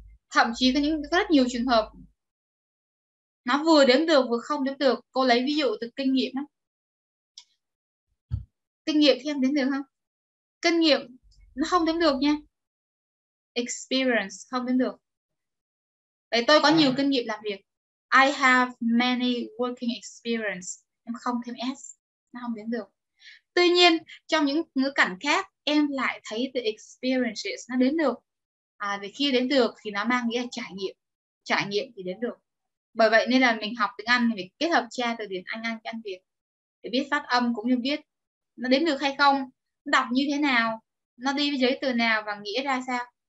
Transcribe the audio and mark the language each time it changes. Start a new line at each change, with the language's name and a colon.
Vietnamese: Thậm chí có những rất nhiều trường hợp nó vừa đếm được vừa không đếm được. Cô lấy ví dụ từ kinh nghiệm đó. Kinh nghiệm thì em đếm được không? Kinh nghiệm nó không đếm được nha. Experience không đếm được. Vậy tôi có nhiều kinh nghiệm làm việc.
English: I have many working experience.
Vietnamese: Em không thêm S, nó không đếm được. Tuy nhiên trong những ngữ cảnh khác em lại thấy the experiences nó đếm được. Vì khi đếm được thì nó mang nghĩa là trải nghiệm. Trải nghiệm thì đếm được. Bởi vậy nên là mình học tiếng Anh thì mình kết hợp tra từ điển Anh cho anh Việt để biết phát âm cũng như biết nó đếm được hay không, nó đọc như thế nào, nó đi với giới từ nào và nghĩa ra sao.